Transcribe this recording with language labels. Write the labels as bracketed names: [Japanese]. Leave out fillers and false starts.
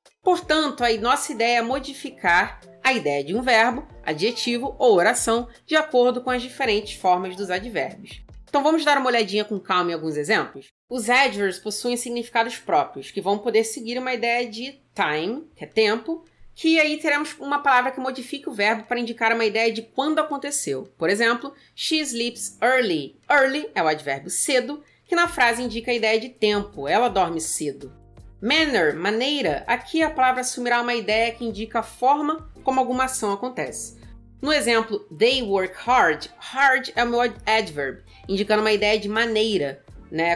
[Portuguese] Portanto, a nossa ideia é modificar a ideia de um verbo, adjetivo ou oração de acordo com as diferentes formas dos advérbios. Então vamos dar uma olhadinha com calma em alguns exemplos? Os adverbs possuem significados próprios, que vão poder seguir uma ideia de time, que é tempo, que aí teremos uma palavra que modifica o verbo para indicar uma ideia de quando aconteceu. Por exemplo, [English] she sleeps early. [Portuguese] Early é o advérbio cedo, que na frase indica a ideia de tempo, ela dorme cedo. Manner, maneira, aqui a palavra assumirá uma ideia que indica a forma como alguma ação acontece. No exemplo, [English] they work hard, [Portuguese] hard é o meu adverb, indicando uma ideia de maneira, né?